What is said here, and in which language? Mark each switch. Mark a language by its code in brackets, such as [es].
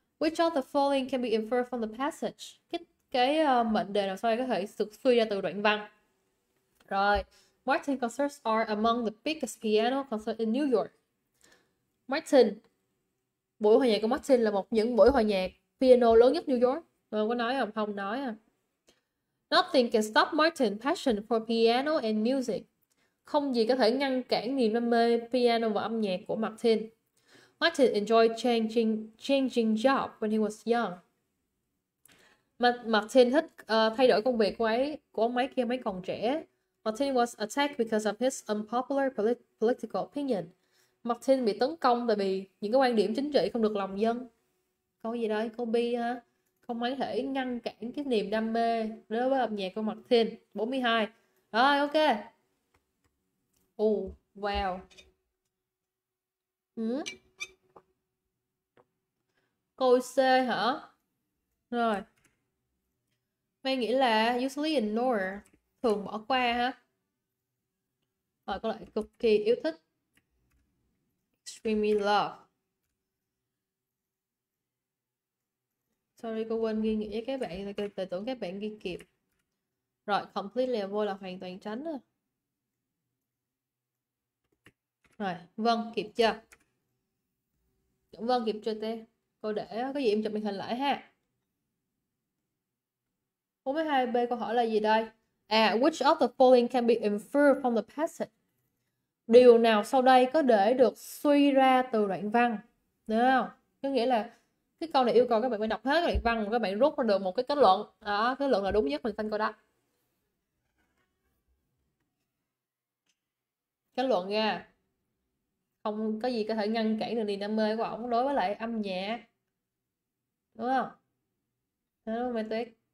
[en] Which of the following can be inferred from the passage? [vi] Cái mệnh đề nào sau đây có thể được suy ra từ đoạn văn? Rồi. [en] Martin concerts are among the biggest piano concert in New York. Martin. [vi] Buổi hòa nhạc của Martin là một những buổi hòa nhạc piano lớn nhất New York. Không có nói không? Không nói à. [en] Nothing can stop Martin's passion for piano and music. [vi] Không gì có thể ngăn cản niềm đam mê piano và âm nhạc của Martin. [en] Martin enjoyed changing job when he was young. [vi] Martin thích thay đổi công việc của ông ấy khi ông ấy còn trẻ. [en] Martin was attacked because of his unpopular political opinion. [vi] Martin bị tấn công tại vì những cái quan điểm chính trị không được lòng dân. Câu gì đây? Câu B ha? Không ấy thể ngăn cản cái niềm đam mê đối với âm nhạc của Martin. 42. Rồi, ok. Oh, wow. Câu C hả? Rồi. Mày nghĩ là [en] usually ignore, [vi] thường bỏ qua hả? Và có lại cực kỳ yêu thích [en] Extremely Love. [vi] Sorry, cô quên ghi nghĩa các bạn, tôi tưởng các bạn ghi kịp. Rồi, complete level là hoàn toàn tránh rồi. Rồi, vâng, kịp chưa? Vâng, kịp chưa tê? Cô để có gì em chụp màn hình lại ha. 42B câu hỏi là gì đây? [en] À, which of the following can be inferred from the passage? [vi] Điều nào sau đây có để được suy ra từ đoạn văn? Được không? Có nghĩa là cái câu này yêu cầu các bạn phải đọc hết đoạn văn, các bạn rút ra được một cái kết luận. Đó, kết luận là đúng nhất mình xin câu đó. Kết luận nha. Không có gì có thể ngăn cản được niềm đam mê của ổng đối với lại âm nhạc. Đúng không? Đúng không, Mai Tuyết?